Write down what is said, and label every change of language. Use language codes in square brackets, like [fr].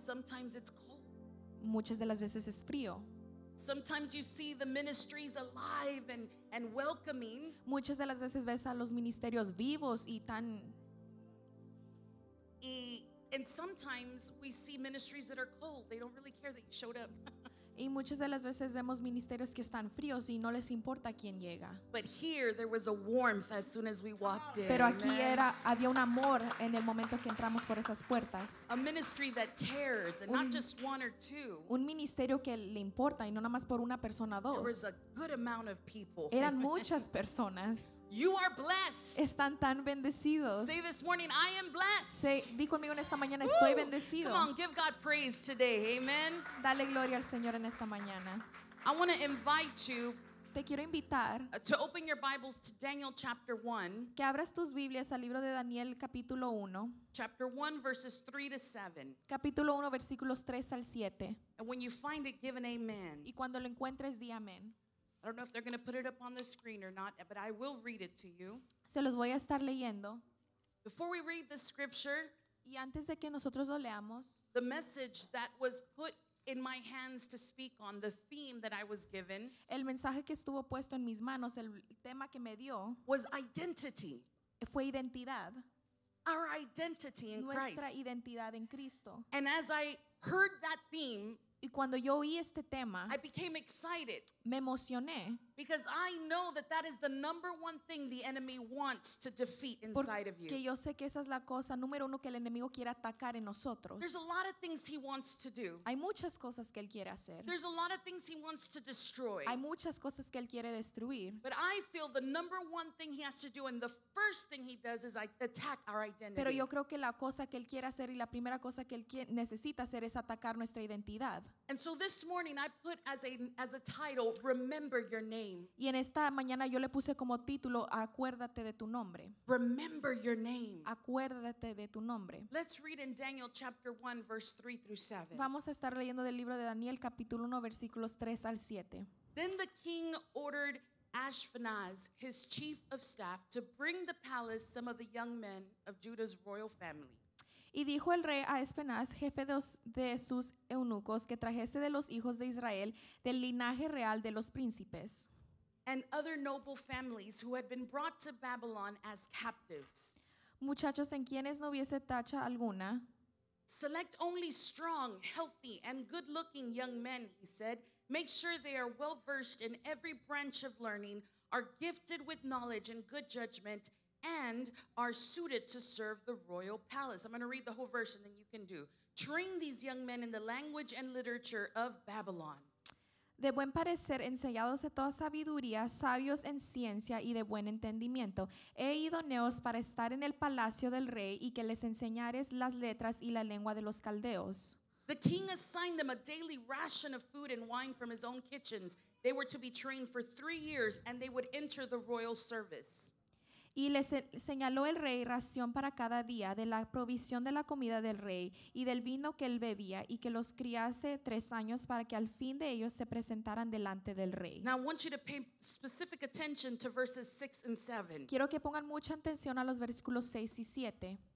[en] Sometimes it's cold. [es] Muchas de las veces es frío. [en] Sometimes you see the ministries alive and welcoming. [es] Muchas de las veces ves a los ministerios vivos y tan. [en] And sometimes we see ministries that are cold. They don't really care that you showed up. [es] Y muchas de las veces vemos ministerios que están fríos y no les importa quién llega. [en] But here there was a warmth as soon as we walked in. [es] Pero aquí era, había un amor en el momento que entramos por esas puertas. [en] A ministry that cares and not just one or two. [es] Un ministerio que le importa y no nada más por una persona o dos. [en] There was a good amount of people. [es] Eran muchas personas. [en] You are blessed. [es] Están tan bendecidos. [en] Say this morning, I am blessed. [es] Say, di conmigo en esta mañana, estoy Woo! Bendecido. [en] Come on, give God praise today. Amen. [es] Dale gloria al Señor en esta mañana. [en] I want to invite you. [es] Te quiero invitar. [en] To open your Bibles to Daniel chapter 1. [es] Que abras tus Biblias al libro de Daniel capítulo 1. [en] Chapter 1 verses 3 to 7. [es] Capítulo 1 versículos 3 al 7. [en] And when you find it, give an amen. [es] Y cuando lo encuentres, di amén. [en] I don't know if they're going to put it up on the screen or not, but I will read it to you. [es] Se los voy a estar leyendo. [en] Before we read the scripture, [es] y antes de que nosotros lo leamos, [en] the message that was put in my hands to speak on, the theme that I was given, [es] el mensaje que estuvo puesto en mis manos, el tema que me dio, [en] was identity. [es] Fue identidad. [en] Our identity in [es] Nuestra [en] Christ. [es] Nuestra identidad en Cristo. [en] And as I heard that theme, [es] y cuando yo oí este tema, [en] I became excited. [es] Me emocioné. [en] Because I know that is the number one thing the enemy wants to defeat inside of you. [es] Porque yo sé que esa es la cosa número uno que el enemigo quiere atacar en nosotros. [en] There's a lot of things he wants to do. [es] Hay muchas cosas que él quiere hacer. [en] There's a lot of things he wants to destroy. [es] Hay muchas cosas que él quiere destruir. [en] But I feel the number one thing he has to do and the first thing he does is attack our identity. [es] Pero yo creo que la cosa que él quiere hacer y la primera cosa que él necesita hacer es atacar nuestra identidad. [en] And so this morning I put as a title, Remember Your Name. [es] Y en esta mañana yo le puse como título, Acuérdate de tu nombre. [en] Remember Your Name. [es] Acuérdate de tu nombre. [en] Let's read in Daniel chapter 1, verse 3 through 7. [es] Vamos a estar leyendo del libro de Daniel, capítulo 1, versículos 3 al 7. [en] Then the king ordered Ashpenaz, his chief of staff, to bring the palace some of the young men of Judah's royal family. [es] Y dijo el rey a Espenaz, jefe de sus eunucos, que trajese de los hijos de Israel del linaje real de los príncipes. [en] and other noble families who had been brought to Babylon as captives. [es] Muchachos en quienes no hubiese tacha alguna. [en] Select only strong, healthy, and good-looking young men, he said. Make sure they are well-versed in every branch of learning, are gifted with knowledge and good judgment, and are suited to serve the royal palace. I'm going to read the whole verse, and then you can do. Train these young men in the language and literature of Babylon. [es] De buen parecer, enseñados de toda sabiduría, sabios en ciencia y de buen entendimiento, he idóneos para estar en el palacio del rey y que les enseñares las letras y la lengua de los caldeos. [en] The king assigned them a daily ration of food and wine from his own kitchens. They were to be trained for 3 years and they would enter the royal service. [es] Y les señaló el rey ración para cada día de la provisión de la comida del rey y del vino que él bebía y que los criase 3 años para que al fin de ellos se presentaran delante del rey. [en] Now I want you to pay specific attention to verses 6 and 7. [es] Quiero que pongan mucha atención a los versículos 6 y 7.